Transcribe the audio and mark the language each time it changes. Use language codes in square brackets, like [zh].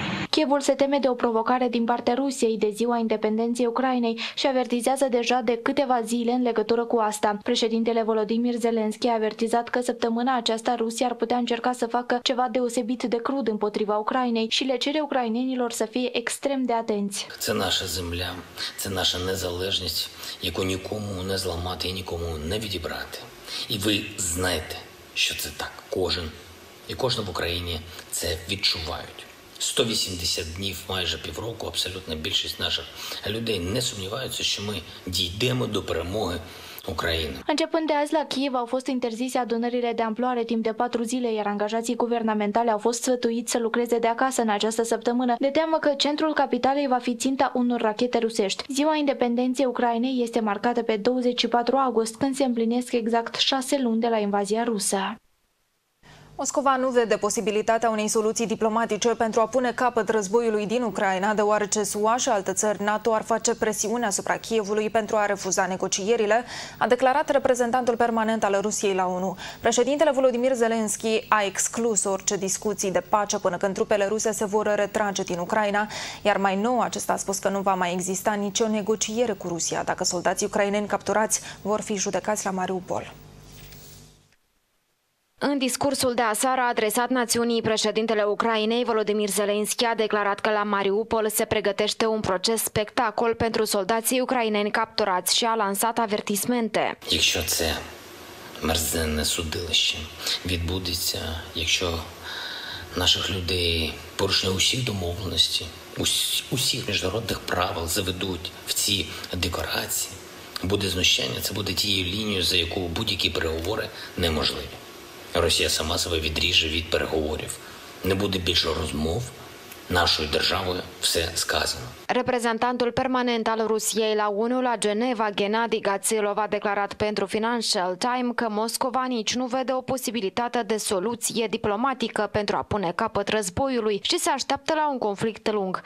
[ro] Kievul se teme de o provocare din partea Rusiei de ziua independenței Ucrainei și avertizează deja de câteva zile în legătură cu asta. Președintele Volodymyr Zelensky a avertizat că săptămâna aceasta Rusia ar putea încerca să facă ceva deosebit de crud împotriva Ucrainei și le cere ucrainenilor să fie extrem de atenți. [uk] Це наша земля, це наша незалежність, яку нікому не зламати і нікому не відібрати. І ви знаєте, що це так. Кожен і кожна в Україні це відчувають. 180 днів, майже півроку, абсолютна більшість наших людей не сумніваються, що ми дійдемо до перемоги України. [ro] Începând de azi la Kiev au fost interzise adunările de amploare timp de 4 zile, iar angajații guvernamentale au fost sfătuiți să lucreze de acasă în această săptămână, de teamă că centrul capitalei va fi ținta unor rachete rusești. Ziua independenței Ucrainei este marcată pe 24 august, când se împlinesc exact 6 luni de la invazia rusă. Moscova nu vede posibilitatea unei soluții diplomatice pentru a pune capăt războiului din Ucraina, deoarece SUA și alte țări NATO ar face presiune asupra Kievului pentru a refuza negocierile, a declarat reprezentantul permanent al Rusiei la ONU. Președintele Volodymyr Zelensky a exclus orice discuții de pace până când trupele ruse se vor retrage din Ucraina, iar mai nou acesta a spus că nu va mai exista nicio negociere cu Rusia dacă soldații ucraineni capturați vor fi judecați la Mariupol. În discursul de aseară adresat națiunii, președintele Ucrainei, Volodymyr Zelensky, a declarat că la Mariupol se pregătește un proces spectacol pentru soldații ucraineni capturați și a lansat avertismente. [uk] Якщо це мерзенне судилище відбудеться, якщо наших людей порушили усі домовленості, усі міжнародних правил заведуть в ці декорації, буде знущання, це буде тією лінією, за яку будь-які переговори неможливі. Росія сама себе відріже від переговорів. Не буде більше розмов. Нашою державою все сказано. [ro] Reprezentantul permanent al Rusiei la ONU la Geneva, Gennady Gatsilov, a declarat pentru Financial Times că Moscova nici nu vede o posibilitate de soluție diplomatică pentru a pune capăt războiului și se așteaptă la un conflict lung.